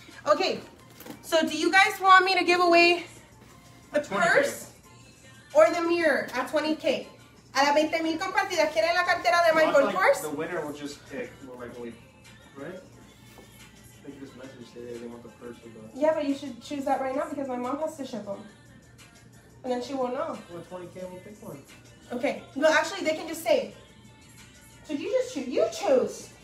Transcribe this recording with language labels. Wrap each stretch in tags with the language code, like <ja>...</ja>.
<en>Okay, so do you guys want me to give away the purse or the mirror at 20K?</en> <es>A las 20,000 compartidas, ¿quieren la cartera de Michael Kors?</es> <en>The winner will just pick, more likely, right? I think this message said they want the purse or the... Yeah, but you should choose that right now because my mom has to ship them. And then she won't know. Well, 20K will pick one. Okay. No, actually, they can just say. So you just choose. You choose.</en>